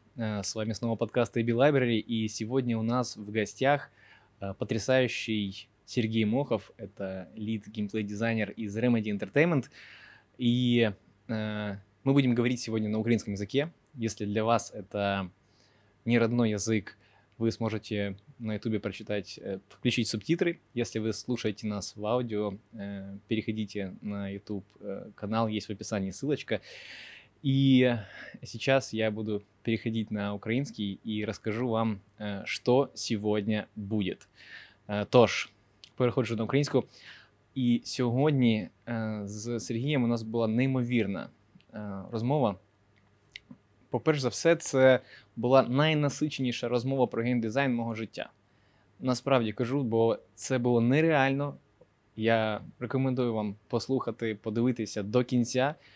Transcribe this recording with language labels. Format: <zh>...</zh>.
<ru>С вами снова подкаст AB Library, и сегодня у нас в гостях потрясающий Сергей Мохов, это лид-геймплей-дизайнер из Remedy Entertainment, и мы будем говорить сегодня на украинском языке. Если для вас это не родной язык, вы сможете на YouTube прочитать, включить субтитры. Если вы слушаете нас в аудио, переходите на YouTube-канал, есть в описании ссылочка. И сейчас я буду переходить на украинский и расскажу вам, что сегодня будет.</ru> <uk>Тож, переходжу на українську. І сьогодні з Сергієм у нас була неймовірна розмова. По-перше за все, це була найнасиченіша розмова про геймдизайн мого життя. Насправді кажу, бо це було нереально. Я рекомендую вам послухати, подивитися до кінця.</uk>